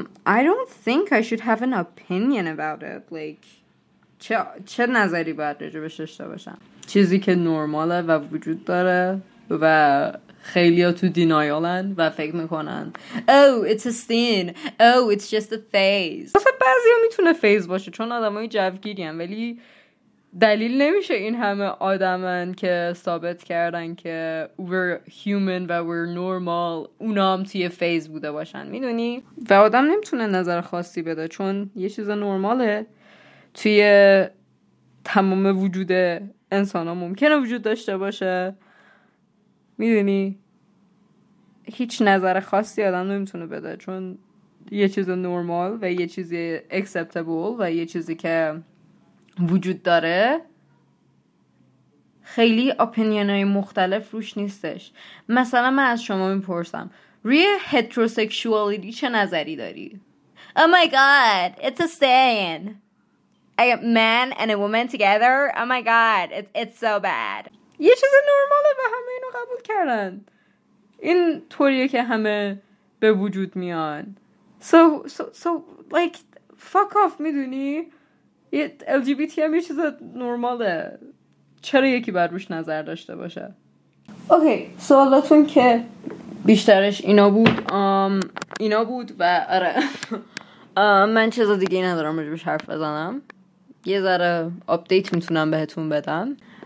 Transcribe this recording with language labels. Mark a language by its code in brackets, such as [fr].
[en] I don't think I should have an opinion about it. [fa] چه نظری باید راجبش داشته باشم؟ چیزی که نرماله و وجود داره و خیلی ها تو دینایالن و فکر میکنن [en] it's just a phase. [fa] بعضی ها میتونه فیز باشه چون آدم های جوگیری هم، ولی دلیل نمیشه این همه آدمن که ثابت کردن که [en] we're human [fa] و [en] we're normal [fa] اونا هم توی فیز بوده باشن، میدونی؟ و آدم نمیتونه نظر خاصی بده چون یه چیز نرماله توی تمام وجود انسان ها ممکنه وجود داشته باشه، میدونی؟ هیچ نظر خاصی آدم نمیتونه بده چون یه چیز نرمال و یه چیز acceptable و یه چیزی که وجود داره خیلی اپینین های مختلف روش نیستش. مثلا من از شما میپرسم روی هتروسکشوالیتی چه نظری داری؟ [en] Oh my god, it's a sin. A man and a woman together, oh my god, it's so bad. [fa] یه چیز نرماله و همه اینو قبول کردن، این طوریه که همه به وجود میان. [en] So like fuck off، [fa] میدونی؟ LGBT هم یه چیز نرماله، چرا یکی بر روش نظر داشته باشه؟ اوکی، سوالاتون که بیشترش اینا بود و آره من چیز دیگه ندارم روش حرف بزنم، یه ذره اپدیت میتونم بهتون بدم.